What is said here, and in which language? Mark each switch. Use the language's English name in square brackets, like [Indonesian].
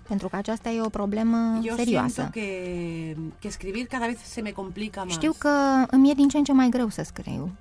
[Romanian] Pentru că aceasta e o problemă serioasă. [Spanish] Que escribir cada vez se me complica más. [Romanian] Știu că îmi e din ce în ce mai greu să scriu.